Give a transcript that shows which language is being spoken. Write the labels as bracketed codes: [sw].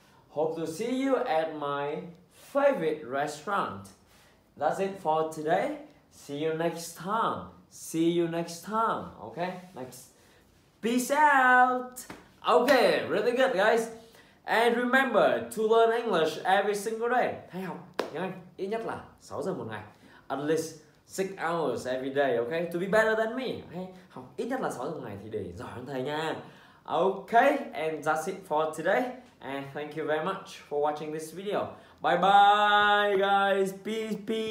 [en] Hope to see you at my favorite restaurant. That's it for today. See you next time. Okay, next. Peace out! Okay, really good, guys. And remember to learn English every single day. [vi] Hãy học tiếng Anh ít nhất là 6 giờ một ngày. [en] At least 6 hours every day, okay? To be better than me. [vi] Hãy học ít nhất là 6 giờ một ngày thì để giỏi hơn thầy nha. [en] Okay, and that's it for today. And thank you very much for watching this video. Bye bye guys. Peace.